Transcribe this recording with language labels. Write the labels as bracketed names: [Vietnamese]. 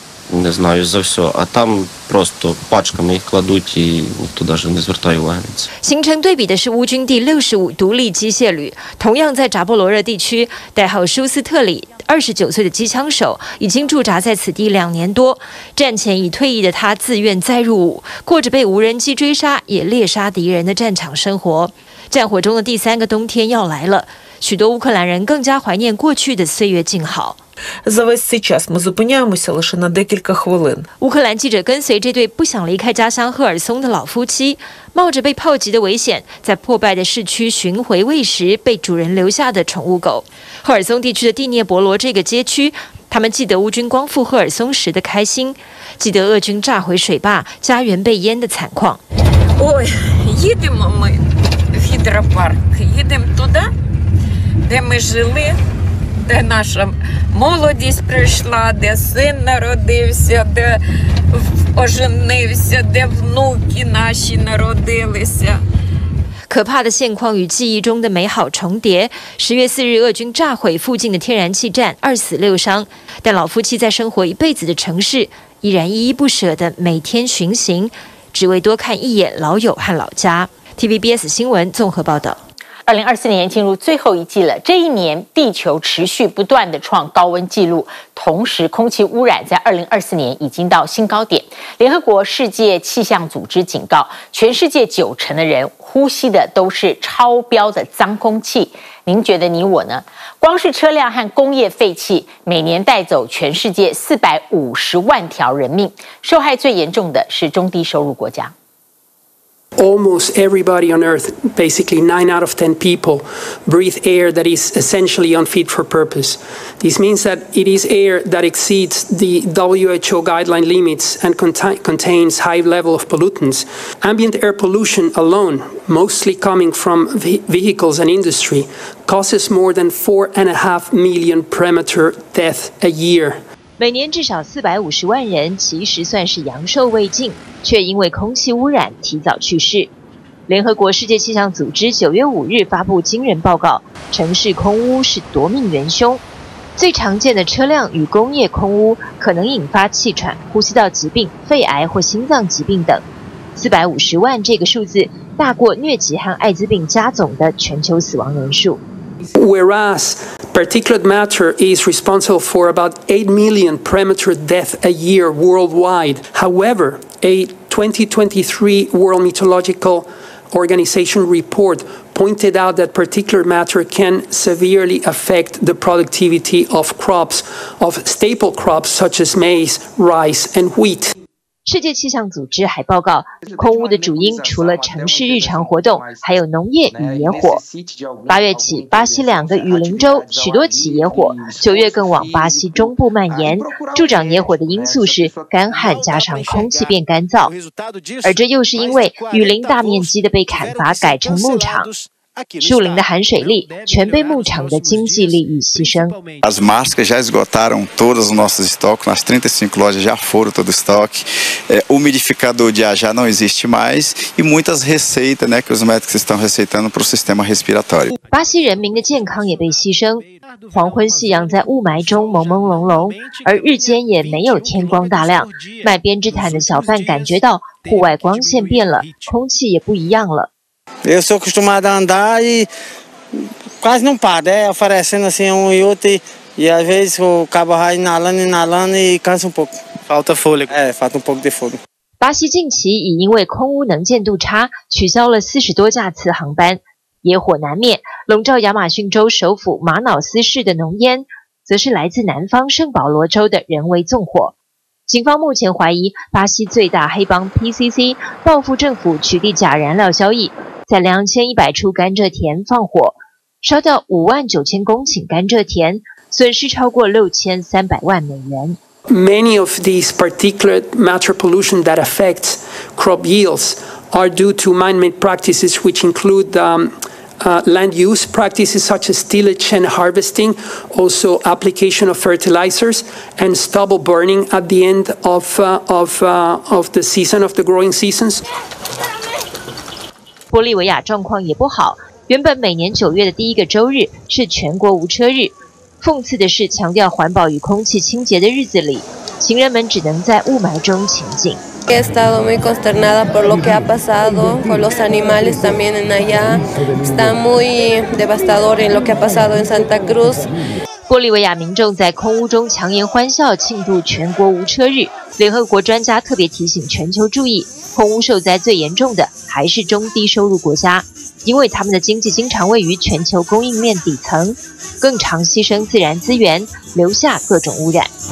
[Ukrainian] Не знаю за все, а там просто пачками їх кладуть, і ніхто даже не звертає уваги. [Chinese] 形成对比的是乌军第65独立机械旅，同样在扎波罗热地区，代号舒斯特里，29岁的机枪手已经驻扎在此地2年多。战前已退役的他自愿再入伍，过着被无人机追杀也猎杀敌人的战场生活。战火中的第三个冬天要来了。许多乌克兰人更加怀念过去的岁月静好。 [Ukrainian] За весь цей час ми зупиняємося лише на декілька хвилин。 [Chinese] 乌克兰记者跟随这对不想离开家乡赫尔松的老夫妻，冒着被炮击的危险，在破败的市区寻回喂食被主人留下的宠物狗。赫尔松地区的第聂伯罗这个街区，他们记得乌军光复赫尔松时的开心，记得俄军炸毁水坝、家园被淹的惨况。 [Ukrainian] Ой, їдемо ми в гідропарк, їдемо туди。 Де ми жили, де наша молодість прийшла, де син народився, де оженився, де внуки наші народилися. [Chinese] 可怕的现况与记忆中的美好重叠。十月四日，俄军炸毁附近的天然气站，2死6伤。但老夫妻在生活一辈子的城市，依然依依不舍地每天巡行，只为多看一眼老友和老家。 TVBS 新闻综合报道。 2024年进入最后一季了，这一年地球持续不断的创高温记录，同时空气污染在2024年已经到新高点。联合国世界气象组织警告，全世界90%的人呼吸的都是超标的脏空气。您觉得你我呢？光是车辆和工业废气，每年带走全世界450万条人命，受害最严重的是中低收入国家。 [English] Almost everybody on Earth, basically 9 out of 10 people, breathe air that is essentially unfit for purpose. This means that it is air that exceeds the WHO guideline limits and contains high level of pollutants. Ambient air pollution alone, mostly coming from vehicles and industry, causes more than 4.5 million premature deaths a year. [Chinese] 每年至少450万人其实算是阳寿未尽，却因为空气污染提早去世。联合国世界气象组织9月5日发布惊人报告，城市空污是夺命元凶。最常见的车辆与工业空污可能引发气喘、呼吸道疾病、肺癌或心脏疾病等。 450万这个数字大过疟疾和艾滋病加总的全球死亡人数。 [English] Whereas particulate matter is responsible for about 8 million premature deaths a year worldwide. However, a 2023 World Meteorological Organization report pointed out that particulate matter can severely affect the productivity of crops, of staple crops such as maize, rice, and wheat. [Chinese] 世界气象组织还报告，空污的主因除了城市日常活动，还有农业与野火。八月起，巴西两个雨林州许多起野火，九月更往巴西中部蔓延。助长野火的因素是干旱加上空气变干燥，而这又是因为雨林大面积的被砍伐改成牧场。树林的含水力全被牧场的经济利益牺牲。 [Portuguese] As máscaras já esgotaram todos os nossos estoques, nas 35 lojas já foram todo o estoque, umidificador de ar já não existe mais e muitas receitas, né, que os médicos estão receitando para o sistema respiratório. [Chinese] 巴西人民的健康也被牺牲，黄昏夕阳在雾霾中朦朦胧胧，而日间也没有天光大亮。卖编织毯的小贩感觉到户外光线变了，空气也不一样了。 [Portuguese] Eu sou acostumado a andar e quase não paro, né? Oferecendo assim um e outro e às vezes o cabo vai inalando e cansa um pouco. Falta fôlego. Falta um pouco de fôlego. [Chinese] 巴西近期已因为空污能见度差，取消了40多架次航班。野火难灭，笼罩亚马逊州首府马瑙斯市的浓烟，则是来自南方圣保罗州的人为纵火。警方目前怀疑巴西最大黑帮 PCC 报复政府取缔假燃料交易，在2100处甘蔗田放火，烧掉59000公顷甘蔗田，损失超过6300万美元。 [English] Many of these particulate matter pollution that affects crop yields are due to man-made practices, which include land use practices such as tillage and harvesting, also application of fertilizers and stubble burning at the end of the season of the growing seasons. [Chinese] 玻利维亚状况也不好，原本每年九月的第一个周日是全国无车日。讽刺的是，强调环保与空气清洁的日子里，行人们只能在雾霾中前进。 [Spanish] He estado muy consternada por lo que ha pasado con los animales también en allá. Está muy devastador en lo que ha pasado en Santa Cruz. [Chinese] 玻利维亚民众在空污中强颜欢笑庆祝全国无车日。联合国专家特别提醒全球注意，空污受灾最严重的还是中低收入国家，因为他们的经济经常位于全球供应链底层，更常牺牲自然资源，留下各种污染。